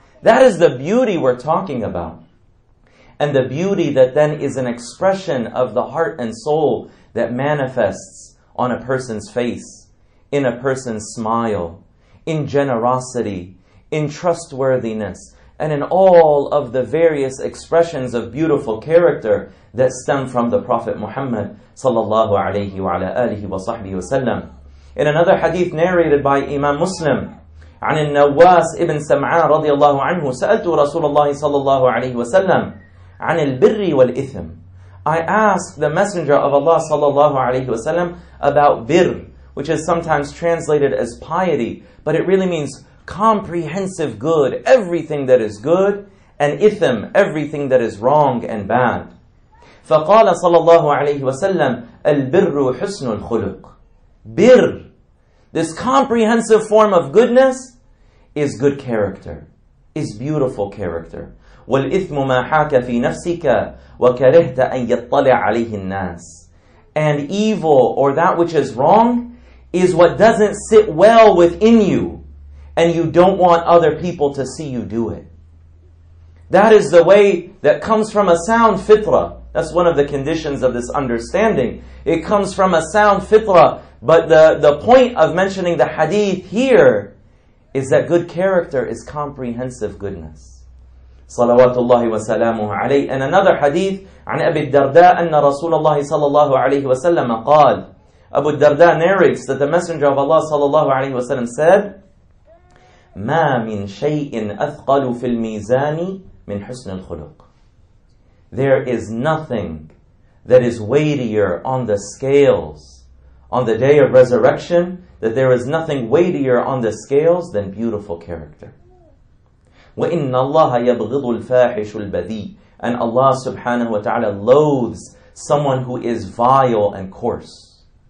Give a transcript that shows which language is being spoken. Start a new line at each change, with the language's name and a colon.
English: That is the beauty we're talking about. And the beauty that then is an expression of the heart and soul that manifests on a person's face, in a person's smile, in generosity, in trustworthiness, and in all of the various expressions of beautiful character that stem from the Prophet Muhammad
Arabic: sallallahu alayhi wa ala alihi wa sahbihi wa sallam.
English: In another hadith narrated by Imam Muslim,
Arabic: عن النواس ابن سمعان رضي الله عنه سألت رسول الله صلى الله عليه وسلم عن البر والإثم.
English: I asked the Messenger of Allah
Arabic: صلى الله عليه وسلم
English: about بر, which is sometimes translated as piety, but it really means comprehensive good, everything that is good, and إثم, everything that is wrong and bad.
Arabic: فقال صلى الله عليه وسلم البر حسن الخلق.
English: بر, this comprehensive form of goodness, is good character, is beautiful character.
Arabic: وَالْإِثْمُ مَا حَاكَ فِي نَفْسِكَ وَكَرِهْتَ أَن يَطَّلِعَ عَلَيْهِ النَّاسِ.
English: And evil, or that which is wrong, is what doesn't sit well within you, and you don't want other people to see you do it. That is the way that comes from a sound fitrah. That's one of the conditions of this understanding. It comes from a sound fitrah. But the point of mentioning the hadith here is that good character is comprehensive goodness.
Arabic: Salawatullahi wa salamuhu alayhi.
English: And another hadith,
Arabic: عن أبي الدرداء أن رسول الله صلى الله عليه وسلم قال.
English: Abu Darda narrates that the Messenger of Allah
Arabic: صلى الله عليه وسلم
English: said,
Arabic: ما من شيء أثقل في الميزان من حسن الخلق.
English: There is nothing that is weightier on the scales on the day of resurrection, that there is nothing weightier on the scales than beautiful character.
Arabic: وَإِنَّ اللَّهَ يَبْغِضُ الْفَاحِشُ الْبَذِيِّ.
English: And Allah
Arabic: subhanahu wa ta'ala
English: loathes someone who is vile and coarse.